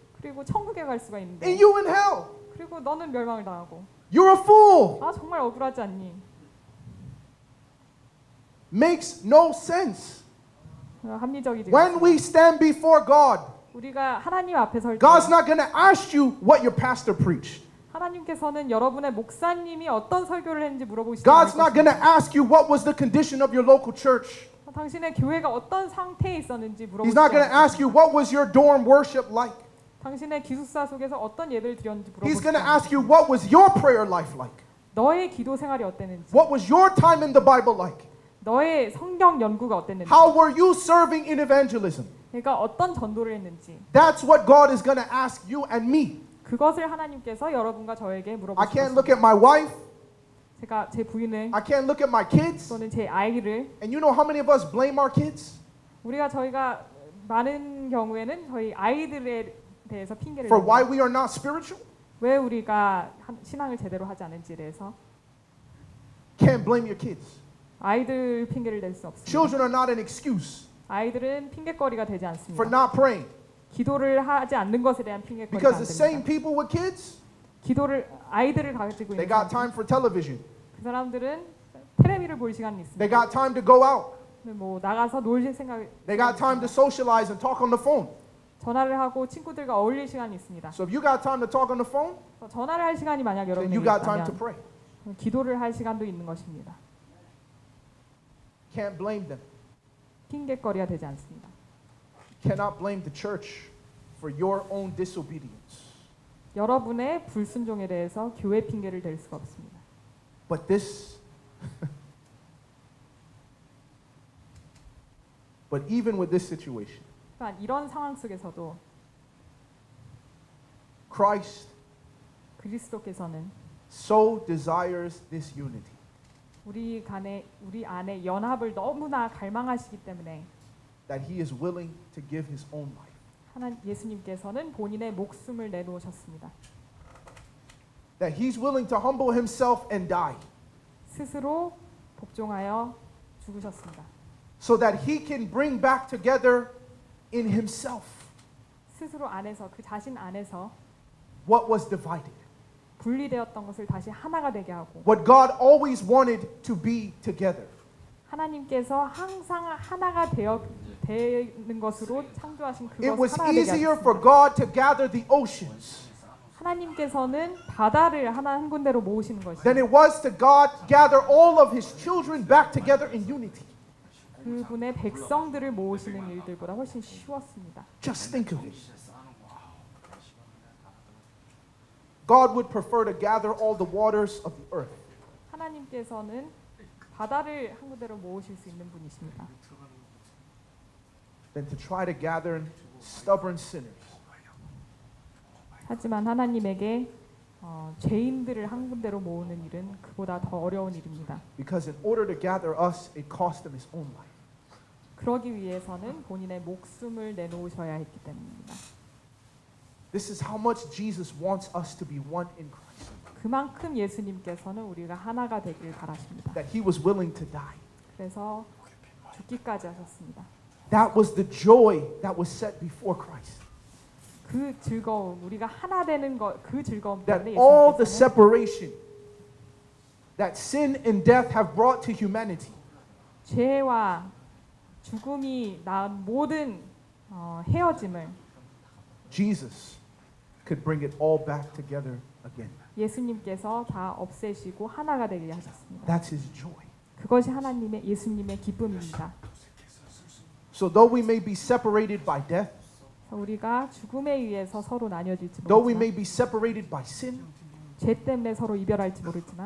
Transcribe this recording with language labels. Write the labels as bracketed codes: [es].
[ko] 그리고 천국에 갈 수가 있는데. [en] And you in hell. [ko] 그리고 너는 멸망을 당하고. [en] You're a fool. [ko] 정말 억울하지 않니? [en] Makes no sense. [ko] 합리적이지. [en] When we stand before God. [ko] 우리가 하나님 앞에 설 때. [en] God's not going to ask you what your pastor preached. [ko] 하나님께서는 여러분의 목사님이 어떤 설교를 했는지 물어보시지. [en] God's not going to ask you what was the condition of your local church. [ko] 당신의 교회가 어떤 상태에 있었는지 물어보시지. [en] He's not going to ask you what was your dorm worship like. [ko] 당신의 기숙사 속에서 어떤 예배를 드렸는지 물어보세요. [en] He's going to ask you what was your prayer life like? [ko] 너의 기도 생활이 어땠는지. [en] What was your time in the Bible like? [ko] 너의 성경 연구가 어땠는지. [en] How were you serving in evangelism? [ko] 내가 어떤 전도를 했는지. [en] That's what God is going to ask you and me. [ko] 그것을 하나님께서 여러분과 저에게 물어보세요. [en] I can't look at my wife. [ko] 제가 제 부인을. [en] I can't look at my kids. [ko] 또는 제 아이를. [en] And you know how many of us blame our kids? [ko] 우리가 저희가 많은 경우에는 저희 아이들의 [en] For why we are not spiritual? [ko] 왜 우리가 신앙을 제대로 하지 않은지에 대해서. [en] Can't blame your kids. [ko] 아이들 핑계를 댈 수 없습니다. [en] Children are not an excuse. [ko] 아이들은 핑계거리가 되지 않습니다. [en] For not praying. [ko] 기도를 하지 않는 것에 대한 핑계거리가 [en] Because the same people with kids. [ko] 기도를 아이들을 가지고 있는 [en] They got time for television. [ko] 그 사람들은 텔레비를 볼 시간이 있습니다. [en] They got time to go out. [ko] 뭐 나가서 놀 생각 [en] They got time to socialize and talk on the phone. [ko] 전화를 하고 친구들과 어울릴 시간이 있습니다. [en] So if you got time to talk on the phone? [ko] 전화를 할 시간이 만약 여러분이 [en] you got time to pray. [ko] 기도를 할 시간도 있는 것입니다. [en] Can't blame them. [ko] 핑계거리가 되지 않습니다. [en] Cannot blame the church for your own disobedience. [ko] 여러분의 불순종에 대해서 교회 핑계를 댈 수가 없습니다. [en] But this But even with this situation. [ko] 이런 상황 속에서도 [en] Christ [ko] 그리스도께서는 [en] so desires this unity. [ko] 우리 간에 우리 안에 연합을 너무나 갈망하시기 때문에 [en] that he is willing to give his own life. [ko] 하나님 예수님께서는 본인의 목숨을 내놓으셨습니다. [en] that he's willing to humble himself and die. [ko] 스스로 복종하여 죽으셨습니다. [en] so that he can bring back together in himself. [ko] 스스로 안에서 그 자신 안에서 [en] what was divided [ko] 분리되었던 것을 다시 하나가 되게 하고 [en] What God always wanted to be together. [ko] 하나님께서 항상 하나가 되어 되는 것으로 창조하신 그것을 [en] It was easier for God to gather the oceans. [ko] 하나님께서는 바다를 하나 한 군데로 모으시는 것이 [en] Then it was to God gather all of his children back together in unity. [ko] 그분의 백성들을 모으시는 일들보다 훨씬 쉬웠습니다. [en] Just think of it. God would prefer to gather all the waters of the earth. [ko] 하나님께서는 바다를 한 군데로 모으실 수 있는 분이십니다. [en] Than to try to gather stubborn sinners. [ko] 하지만 하나님에게 죄인들을 한 군데로 모으는 일은 그보다 더 어려운 일입니다. [en] Because in order to gather us, it cost him his own life. [ko] 그러기 위해서는 본인의 목숨을 내놓으셔야 했기 때문입니다. [en] This is how much Jesus wants us to be one in Christ. [ko] 그만큼 예수님께서는 우리가 하나가 되길 바라십니다. [en] That he was willing to die. [ko] 그래서 죽기까지 하셨습니다. [en] That was the joy that was set before Christ. [ko] 그 즐거움, 우리가 하나 되는 것, 그 즐거움 때문에 [en] That all the separation that sin and death have brought to humanity. [ko] 죄와 죽음이 낳은 모든 헤어짐을 [en] Jesus could bring it all back together again. [ko] 예수님께서 다 없애시고 하나가 되게 하셨습니다. [en] That's his joy. [ko] 그것이 하나님의 예수님의 기쁨입니다. [en] So though we may be separated by death, [ko] 우리가 죽음에 의해서 서로 나뉘어질지 모르지만, [en] though we may be separated by sin, [ko] 죄 때문에 서로 이별할지 모르지만,